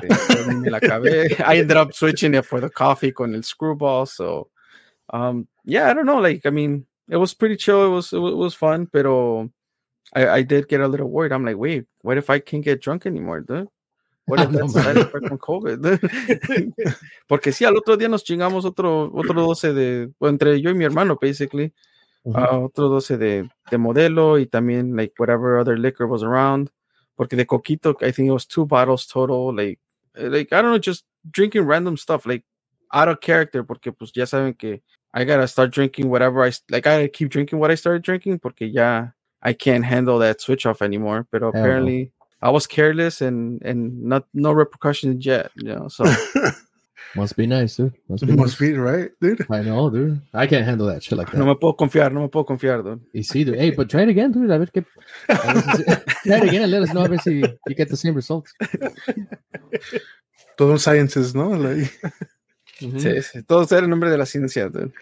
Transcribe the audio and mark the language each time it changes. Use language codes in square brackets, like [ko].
[en] I ended up switching it for the coffee [es] con el [en] screwball. So yeah, I don't know, like, I mean, it was pretty chill, it was fun, [es] pero [en] I did get a little worried. I'm like, wait, what if I can't get drunk anymore, dude? What if that's side effect from COVID? [es] Porque sí, al otro día nos chingamos otro 12 de, bueno, entre yo y mi hermano, [en] basically, [es] mm-hmm. Otro 12 de modelo y también [en] like whatever other liquor was around. [es] Porque de coquito, [en] I think it was 2 bottles total. Like I don't know, just drinking random stuff, like out of character. [es] Porque pues ya saben que [en] I gotta start drinking whatever I gotta keep drinking what I started drinking. [es] Porque ya [en] I can't handle that switch off anymore. [es] Pero [en] hell apparently no. I was careless and not no repercussions yet. You know, so must be nice, dude. Must be nice. Right, dude. I know, dude. I can't handle that shit like that. [es] No me puedo confiar, dude. Y sí, [en] dude. Hey, but try it again, dude. Try it again and let us know if you get the same results. [es] Todo en sciences, ¿no? Like... Mm-hmm. Sí, todo ser en nombre de la ciencia, dude.